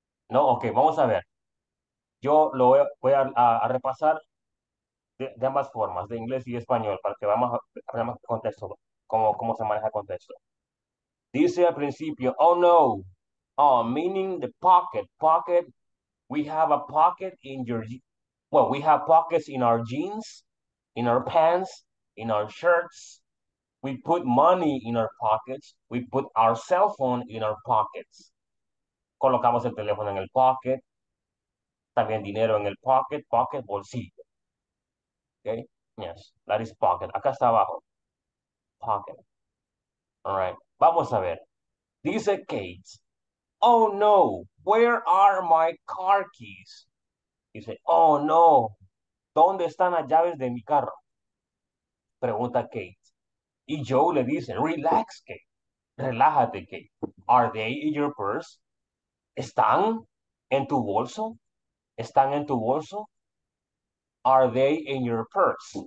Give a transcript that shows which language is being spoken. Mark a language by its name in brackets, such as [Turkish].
[Spanish] No, ok, vamos a ver. Yo lo voy a repasar. De ambas formas, de inglés y español, para que vamos a ver más contexto, cómo se maneja el contexto. Dice al principio, [English] oh no, oh, meaning the pocket, we have a pocket in your, well, we have pockets in our jeans, in our pants, in our shirts, we put money in our pockets, we put our cell phone in our pockets. [Spanish] Colocamos el teléfono en el pocket, también dinero en el pocket, bolsillo. [English] Okay, yes, that is pocket. [Spanish] Acá está abajo. [English] Pocket. All right, [Spanish] vamos a ver. Dice [English] Kate, oh no, where are my car keys? [Spanish] Dice, oh no, ¿dónde están las llaves de mi carro? Pregunta Kate. Y Joe le dice, [English] relax, Kate. [Spanish] Relájate, Kate. [English] Are they in your purse? [Spanish] ¿Están en tu bolso? ¿Están en tu bolso? [English] Are they in your purse?